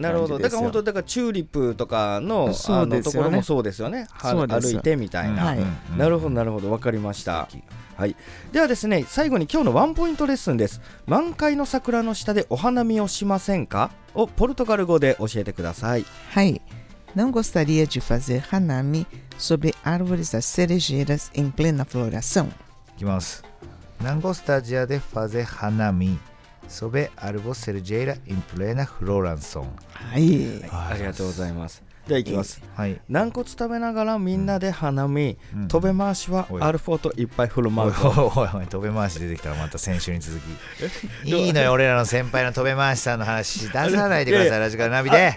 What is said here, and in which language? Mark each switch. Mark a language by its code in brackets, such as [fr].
[ja] なるほど、だから本当だからチューリップとか の、ね、あのところもそうですよね。そうです、歩いてみたいな、はい、なるほどなるほど、わかりました。はい、ではですね、最後に今日のワンポイントレッスンです。満開の桜の下でお花見をしませんか、をポルトガル語で教えてください。 [pt] はい、 Não gostaria de fazer hanami sobre árvores das cerejeiras em plena floração. [ja] いきます。 [pt] Não gostaria de fazer hanami sobre árvores cerejeiras em plena floração. [ja] はい、ありがとうございます。では行きます、はい、軟骨食べながらみんなで花見、うん、飛べ回しはアルフォートいっぱい振る舞う。おいおいおい、飛べ回し出てきたらまた先週に続きいいのよ俺らの先輩の飛べ回しさんの話出さないでください。ラジカルナビで